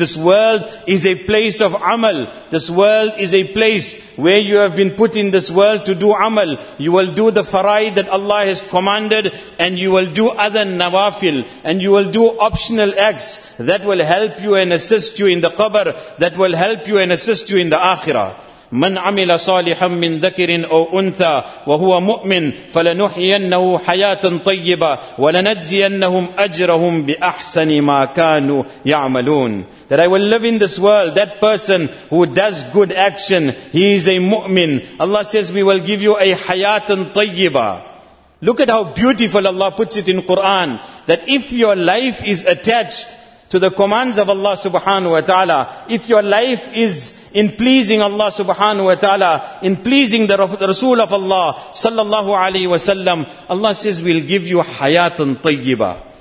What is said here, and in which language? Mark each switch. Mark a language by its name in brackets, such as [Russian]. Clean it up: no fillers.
[English] This world is a place of amal. This world is a place where you have been put in this world to do amal. You will do the faraid that Allah has commanded and you will do other nawafil and you will do optional acts that will help you and assist you in the qabr, that will help you and assist you in the akhirah. [Arabic] من عمل صالحا من ذكر أو أنثى وهو مؤمن فلنحيينه حياة طيبة ولنجزينهم أجرهم بأحسن ما كانوا يعملون. [English] That I will live in this world, that person who does good action, he is a mu'min. Allah says, we will give you a hayatan tayyiba. Look at how beautiful Allah puts it in Quran, that if your life is attached to the commands of Allah subhanahu wa ta'ala, if your life is in pleasing Allah subhanahu wa ta'ala, in pleasing the Rasul of Allah sallallahu alayhi wa sallam, Allah says, we'll give you hayatan tayyiba.